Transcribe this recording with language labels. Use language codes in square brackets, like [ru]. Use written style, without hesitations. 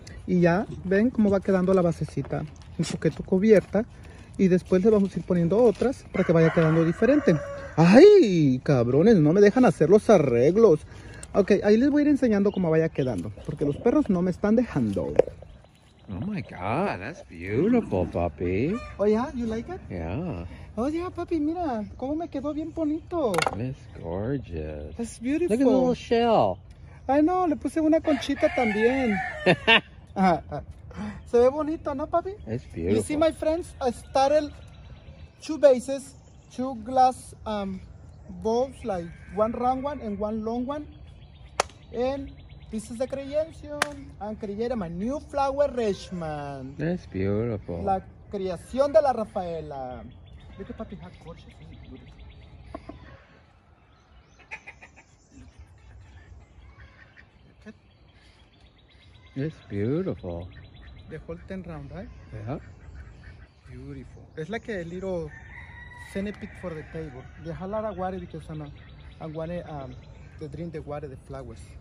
[es] Y ya ven cómo va quedando la basecita un poquito cubierta. Y después le vamos a ir poniendo otras para que vaya quedando diferente. ¡Ay, cabrones! No me dejan hacer los arreglos. Ok, ahí les voy a ir enseñando cómo vaya quedando. Porque los perros no me están dejando. [en] Oh my God, that's beautiful, papi. Oh yeah, you like it? Yeah. Oh yeah, [es] papi, mira cómo me quedó bien bonito. [en] It's gorgeous. It's beautiful. Look at the little shell. [es] Ay, no, le puse una conchita también. Se ve bonito, ¿no, papi? It's beautiful. [en] You see, my friends, I started two bases, two glass bulbs, like one round one and one long one. And pieces [es] de creación. [en] I'm creating my new flower arrangement. That's beautiful. [es] La creación de la Rafaela. [en] Look at papi, how gorgeous and beautiful. It's beautiful. The whole 10 round, right? Yeah. Beautiful. It's like a little centipede for the table. They have a lot of water because I want to drink the water, the flowers.